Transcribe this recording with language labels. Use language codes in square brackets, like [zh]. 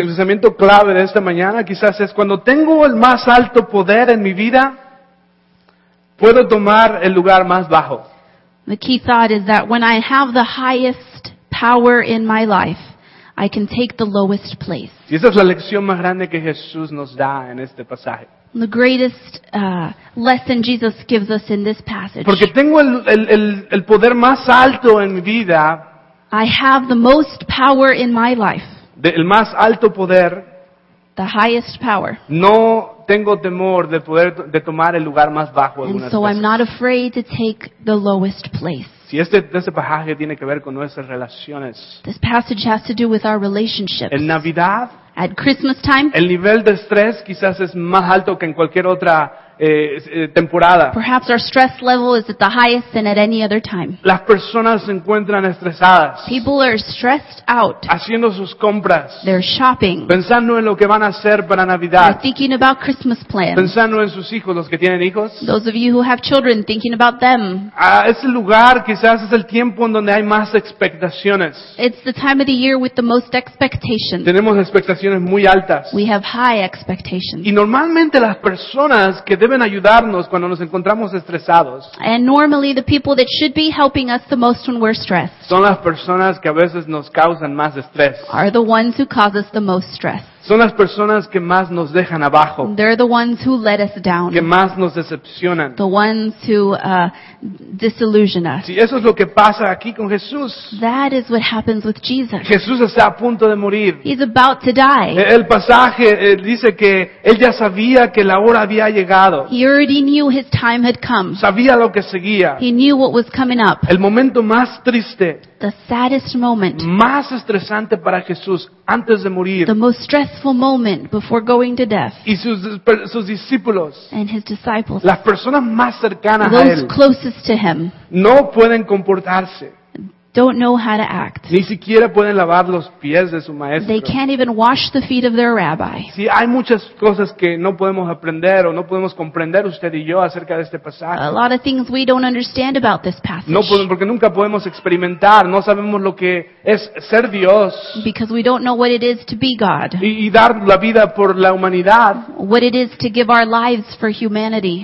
[es] El pensamiento clave de esta mañana quizás es cuando tengo el más alto poder en mi vida, puedo tomar el lugar más bajo. [en] The key thought is that when I have the highest power in my life, I can take the lowest place. [es] Y esa es la lección más grande que Jesús nos da en este pasaje. [en] The greatest lesson Jesus gives us in this passage. [es] Porque tengo el poder más alto en mi vida. [en] I have the most power in my life. [es] El más alto poder. [en] The highest power. [es] No tengo temor de poder de tomar el lugar más bajo. [en] And so I'm not afraid to take the lowest place. [es] Si este pasaje tiene que ver con nuestras relaciones. [en] This passage has to do with our relationships. [es] En Navidad. [en] At Christmas time. [es] El nivel de estrés quizás es más alto que en cualquier otra temporada. [en] Perhaps our stress level is at the highest than at any other time. [es] Las personas se encuentran estresadas. [en] People are stressed out. [es] Haciendo sus compras. [en] They're shopping. [es] Pensando en lo que van a hacer para Navidad. [en] They're thinking about Christmas plans. [es] Pensando en sus hijos, los que tienen hijos. [en] Those of you who have children, thinking about them. [es] Es el lugar, quizás es el tiempo en donde hay más expectaciones. [en] It's the time of the year with the most expectations. [es] Tenemos expectaciones muy altas. [en] We have high expectations. [es] Y normalmente las personas que deben ayudarnos cuando nos encontramos estresados. [en] And normally the people that should be helping us the most when we're stressed. [es] Son las personas que a veces nos causan más estrés. [en] Are the ones who cause us the most stress. [es] Son las personas que más nos dejan abajo. [en] They're the ones who let us down. [es] Que más nos decepcionan. [en] The ones who disillusion us. [es] Sí, eso es lo que pasa aquí con Jesús. [en] That is what happens with Jesus. [es] Jesús está a punto de morir. [en] He's about to die. [es] El pasaje dice que él ya sabía que la hora había llegado. [en] He already knew his time had come. [es] Sabía lo que seguía. [en] He knew what was coming up. [es] El momento más triste. [en] The saddest moment. [es] Más estresante para Jesús antes de morir. [en] The most stressful moment before going to death. [es] Y sus discípulos. [en] And his disciples. [es] Las personas más cercanas [en] those [es] a él. [en] Those closest to him. [es] No pueden comportarse. [en] Don't know how to act. [es] Ni siquiera pueden lavar los pies de su maestro. [en] They can't even wash the feet of their rabbi. [es] Sí, hay muchas cosas que no podemos aprender o no podemos comprender usted y yo acerca de este pasaje. [en] A lot of things we don't understand about this passage. [es] No podemos, porque nunca podemos experimentar. No sabemos lo que es ser Dios. [en] Because we don't know what it is to be God. [es] Y dar la vida por la humanidad. [en] What it is to give our lives for humanity.